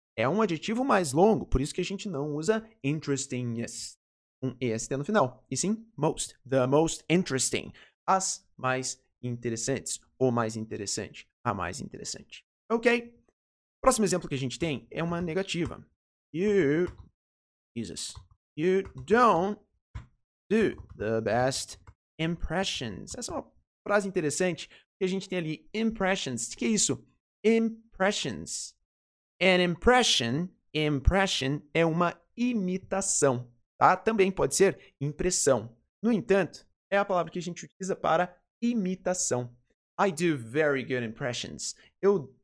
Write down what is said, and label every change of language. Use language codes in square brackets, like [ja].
[pt] É um adjetivo mais longo, por isso que a gente não usa interestingest com EST no final. E sim, most. [en] The most interesting. [pt] As mais interessantes. O mais interessante. A mais interessante. Ok? Próximo exemplo que a gente tem é uma negativa. [en] You, Jesus, you don't do the best impressions. [pt] Essa é uma frase interessante que a gente tem ali. Impressions. O que é isso? Impressions. An impression, impression, é uma imitação, tá? Também pode ser impressão. No entanto, é a palavra que a gente utiliza para imitação. [en] I do very good impressions. [pt] Eu